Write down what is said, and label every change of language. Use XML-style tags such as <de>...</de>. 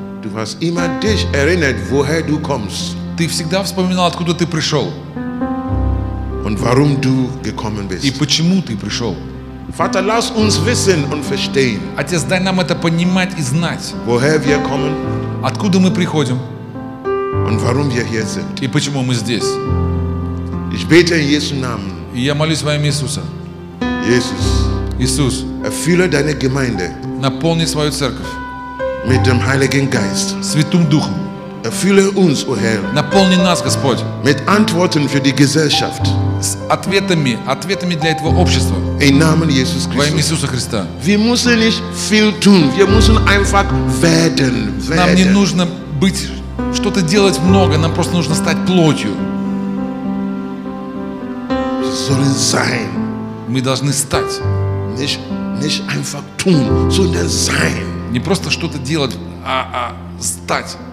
<de>Du hast immer dich erinnert, woher du kommst.</de> <ru>Ты всегда вспоминал, откуда ты пришел.</ru> <de>Und warum du gekommen bist.</de> <ru>И почему ты пришел.</ru> <de>Vater, lass uns wissen und verstehen.</de> <ru>Отец, дай нам это понимать и знать.</ru> <de>Woher wir kommen?</de> <ru>Откуда мы приходим?</ru> <de>Und warum wir hier sind?</de> <ru>И почему мы здесь?</ru> <de>Ich bete in Jesu Namen.</de> <ru>И я молюсь во имя Иисуса.</ru> <de>Jesus.</de> <ru>Иисус.</ru> <de>Erfülle deine Gemeinde.</de> <ru>Наполни свою церковь.</ru> <de>Mit dem Heiligen Geist.</de> <ru>Святым Духом.</ru> <de>Erfülle uns, o Herr.</de> <ru>Наполни нас, Господь.</ru> <de>Mit Antworten für die Gesellschaft.</de> <ru>С ответами, ответами для этого общества.</ru> <de>In Namen Jesus Christus.</de> <ru>Во имя Иисуса Христа.</ru> <de>Wir müssen nicht viel tun. Wir müssen einfach werden.</de> <ru>Нам не нужно быть, что-то делать много. Нам просто нужно стать плотью.</ru> <de>Wir sollen sein.</de> <ru>Мы должны стать.</ru> <de>Nicht einfach tun, sondern sein.</de> <ru>Не просто что-то делать, а стать.</ru>